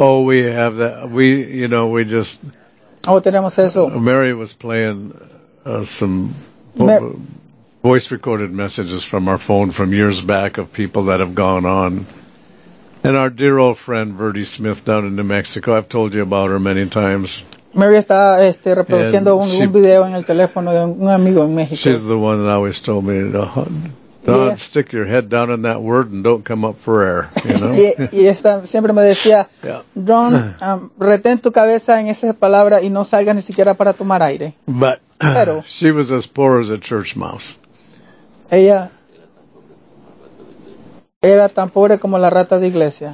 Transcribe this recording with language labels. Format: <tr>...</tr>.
<en>Oh, we have that. We, you know, we just,</en> <es>Oh, tenemos eso.</es> <en>Mary was playing some voice recorded messages from our phone from years back of people that have gone on. And our dear old friend Verdi Smith down in New Mexico, I've told you about her many times.</en> <es>Mary está reproduciendo un video en el teléfono de un amigo en México.</es> <en>She's the one that always told me, Don, yeah, stick your head down in that word and don't come up for air, you know?</en> <es>Y esta siempre me decía, Don, retén tu cabeza en esa palabra y no salgas ni siquiera para tomar aire.</es> <en>But pero, she was as poor as a church mouse.</en> <es>Ella era tan pobre como la rata de iglesia.</es>